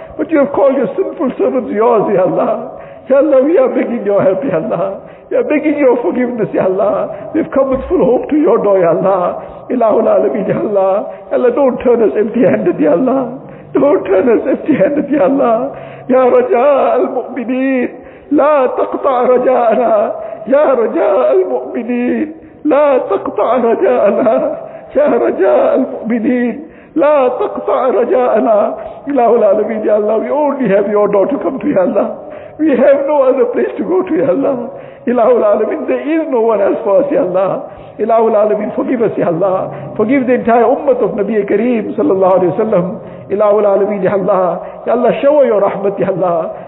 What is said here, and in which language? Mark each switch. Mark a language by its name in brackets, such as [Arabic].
[English] But you have called your sinful servants yours, Ya Allah. Ya Allah, we are begging your help, Ya Allah. We are begging your forgiveness, Ya Allah. We've come with full hope to your door, Ya Allah. [Arabic] إِلَهُ الْعَالَمِينَ Ya Allah. [English] Ya Allah, don't turn us empty-handed, Ya Allah. Don't turn us empty-handed, Ya Allah. [Arabic] يا رجاء المؤمنين لا تقطع رجاءنا يا رجاء المؤمنين لا تقطع رجاءنا رجاء المؤمنين لا تقطع رجاءنا إله العالمين يا الله. [English] We only have your door to come to يا الله. We have no other place to go to يا الله. [Arabic] إله العالمين [English] there is no one else for us يا الله. [Arabic] إله العالمين [English] forgive us [Arabic] يا الله. [English] Forgive the entire ummah of [Arabic] نبي كريم صلى الله عليه وسلم. إله العالمين يا الله. يا الله [English] shower your [Arabic] رحمت يا الله.